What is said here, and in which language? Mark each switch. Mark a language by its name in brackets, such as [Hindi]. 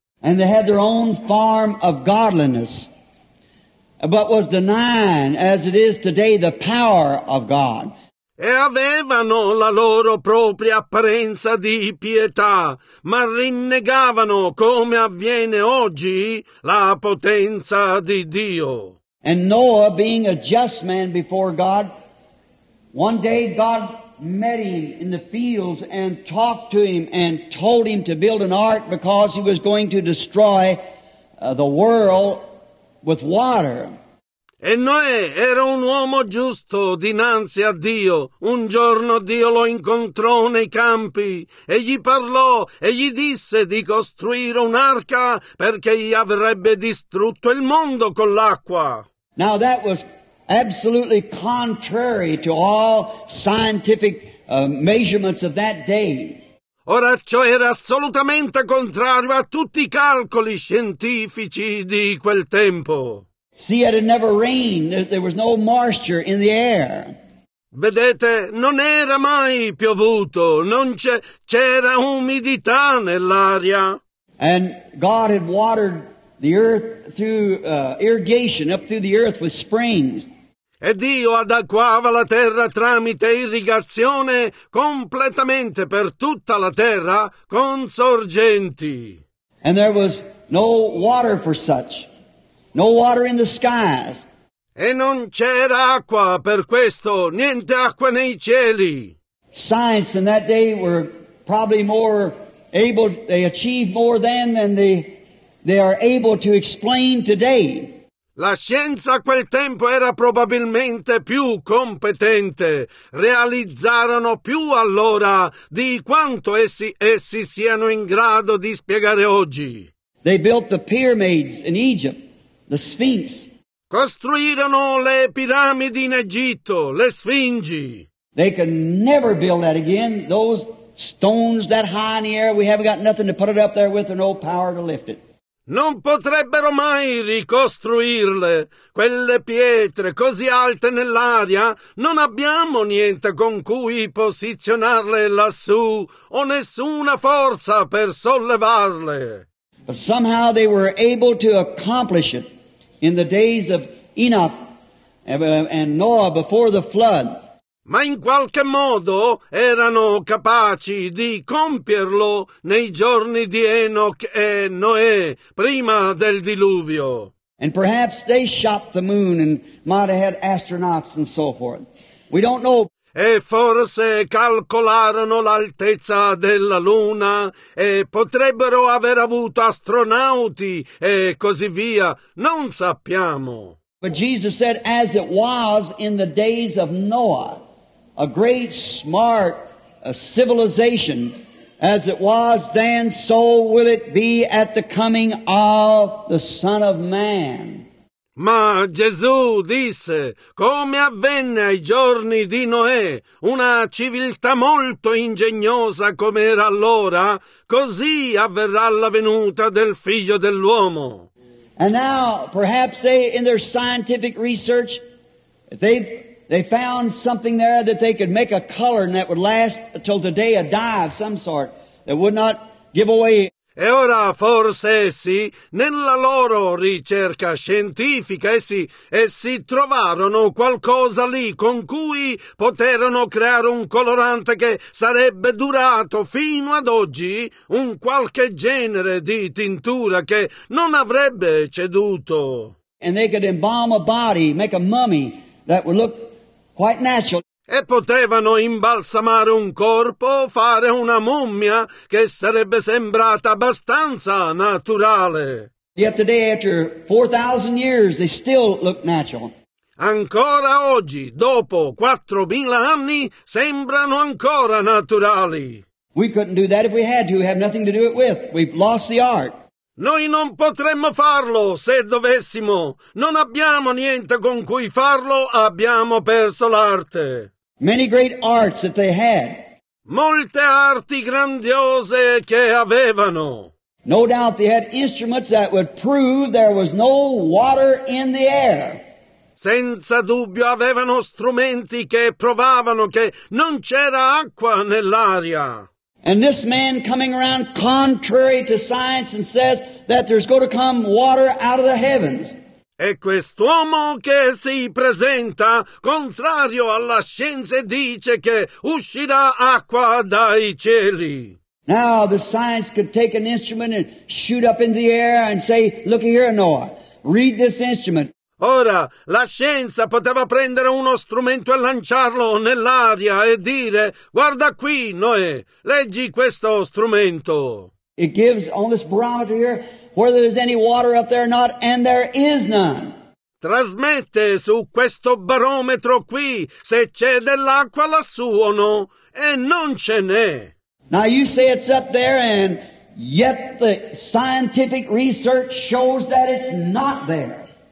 [English] And they had their own form of godliness, but was denying, as it is today, the power of God. [Italian] E avevano la loro propria apparenza di pietà, ma rinnegavano, come avviene oggi, la potenza di Dio. [English] And Noah, being a just man before God, one day God met him in the fields and talked to him and told him to build an ark because he was going to destroy the world with water. [Italian] E Noè era un uomo giusto dinanzi a Dio. Un giorno Dio lo incontrò nei campi e gli parlò e gli disse di costruire un'arca perché gli avrebbe distrutto il mondo con l'acqua. [English] Now that was absolutely contrary to all scientific measurements of that day. [Italian] Ora ciò era assolutamente contrario a tutti i calcoli scientifici di quel tempo. [English] See, it had never rained. There was no moisture in the air. [Italian] Vedete, non era mai piovuto. Non c'era umidità nell'aria. [English] And God had watered the earth through irrigation, up through the earth with springs. [Italian] E Dio adacquava la terra tramite irrigazione completamente per tutta la terra con sorgenti. [English] And there was no water for such. No water in the skies. [Italian] E non c'era acqua per questo, niente acqua nei cieli. [English] Science in that day were probably more able, they achieved more than they are able to explain today. [Italian] La scienza a quel tempo era probabilmente più competente. Realizzarono più allora di quanto essi siano in grado di spiegare oggi. [English] They built the pyramids in Egypt. The Sphinx. [Italian] Costruirono le piramidi in Egitto, le Sfingi. [English] They can never build that again. Those stones that high in the air, we haven't got nothing to put it up there with or no power to lift it. [Italian] Non potrebbero mai ricostruirle. Quelle pietre così alte nell'aria, non abbiamo niente con cui posizionarle lassù o nessuna forza per sollevarle. [English] But somehow they were able to accomplish it. In the days of Enoch and Noah before the flood. [Italian] Ma in qualche modo erano capaci di compierlo nei giorni di Enoch e Noè, prima del diluvio. [English] And perhaps they shot the moon and might have had astronauts and so forth. We don't know. [Italian] E forse calcolarono l'altezza della luna e potrebbero aver avuto astronauti e così via. Non sappiamo. [English] But Jesus said, as it was in the days of Noah, a great smart civilization, as it was then, so will it be at the coming of the Son of Man. [Italian] Ma Gesù disse, come avvenne ai giorni di Noè, una civiltà molto ingegnosa come era allora, così avverrà la venuta del Figlio dell'uomo. [English] And now, perhaps they, in their scientific research, they found something there that they could make a color and that would last until the day of dye of some sort, that would not give away. [Italian] E ora forse essi, nella loro ricerca scientifica, essi trovarono qualcosa lì con cui poterono creare un colorante che sarebbe durato fino ad oggi, un qualche genere di tintura che non avrebbe ceduto. [English] And they could embalm a body, make a mummy that would look quite natural. [Italian] E potevano imbalsamare un corpo, fare una mummia che sarebbe sembrata abbastanza naturale. [English] Yet today, after 4,000 years, they still look natural. [Italian] Ancora oggi, dopo 4,000 anni, sembrano ancora naturali. [English] We couldn't do that if we had to. We have nothing to do it with. We've lost the art. [Italian] Noi non potremmo farlo se dovessimo. Non abbiamo niente con cui farlo, abbiamo perso l'arte. [English] Many great arts that they had. [Italian] Molte arti grandiose che avevano. [English] No doubt they had instruments that would prove there was no water in the air. [Italian] Senza dubbio avevano strumenti che provavano che non c'era acqua nell'aria. [English] And this man coming around contrary to science and says that there's going to come water out of the heavens. [Italian] E quest'uomo che si presenta contrario alla scienza e dice che uscirà acqua dai cieli. [English] Now the science could take an instrument and shoot up in the air and say, look here, Noah, read this instrument. [Italian] Ora, la scienza poteva prendere uno strumento e lanciarlo nell'aria e dire, guarda qui, Noè, leggi questo strumento. [English] It gives on this barometer here whether there's any water up there or not, and there is none. [Italian] Trasmette su questo barometro qui se c'è dell'acqua lassù o no, e non ce n'è. [English] Now you say it's up there, and yet the scientific research shows that it's not there.